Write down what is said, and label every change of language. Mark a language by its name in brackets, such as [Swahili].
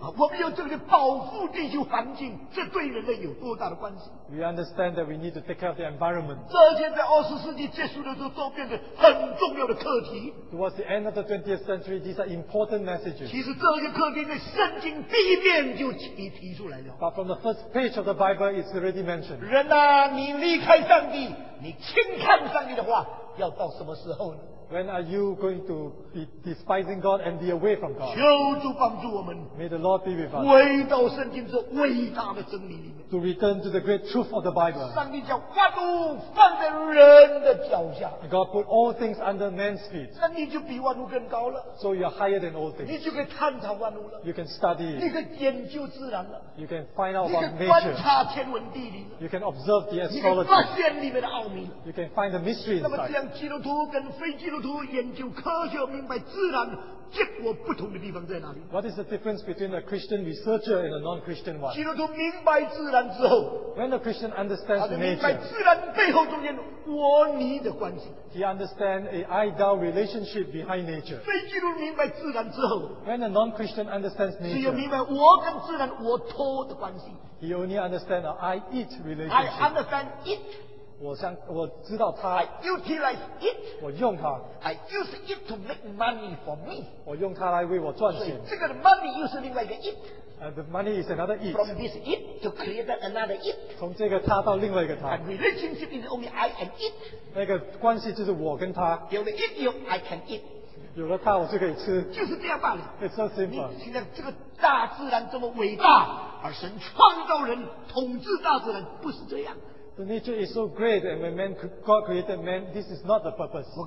[English] We understand that we need to take care of the environment. Towards the end of the 20th century, these are important messages. But from the first page of the Bible, it's already mentioned. [Chinese] 人啊, 你离开上帝, 你轻看上帝的话, 要到什么时候呢? [English] When are you going to be despising God and be away from God? [Chinese] 求主帮助我们, [English] may the Lord be with us. [Chinese] 回到圣经这伟大的真理里面, [English] to return to the great truth of the Bible. [Chinese] 上帝叫万物放在人的脚下, [English] God put all things under man's feet. [Chinese] 那你就比万物更高了, [English] so you're higher than all things. [Chinese] 你就可以探讨万物了, [English] you can study. [Chinese] 你可以研究自然了, [English] you can find out about nature. [Chinese] 你可以观察天文地理了, [English] you can observe the astrology. [Chinese] 你可以发现里面的奥秘, [English] you can find the mystery inside. [Chinese] 基督徒研究科学明白自然结果不同的地方在哪里? [English] What is the difference between a Christian researcher and a non-Christian one? [Chinese] 基督徒明白自然之后, [English] when a Christian understands the nature, [Chinese] 他就明白自然背后中间我你的关系, [English] he understands a I-Thou relationship behind nature. [Chinese] 非基督徒明白自然之后, [English] when a non-Christian understands nature, [Chinese] 只有明白我跟自然我脱的关系, [English] he only understands a I-It relationship. I understand it. [Chinese] 我知道它, [English] I utilize it. [Chinese] 我用它, [English] I use it to make money for me. [Chinese] 我用它来为我赚钱, 所以这个 money 又是另外一个 it. [English] The money is another it. From this it to create another it. [Chinese] 从这个它到另外一个它, [English] and relationship is only I and it. [Chinese] 那个关系就是我跟它, 有了 [English] it, 有 I can eat. [Chinese] 有了它我就可以吃, 就是这样罢了, [English] it's so simple. [Chinese] 你现在这个大自然这么伟大, 而神创造人, 统治大自然, 不是这样, [English] the nature is so great, and when man, God created man, this is not the purpose.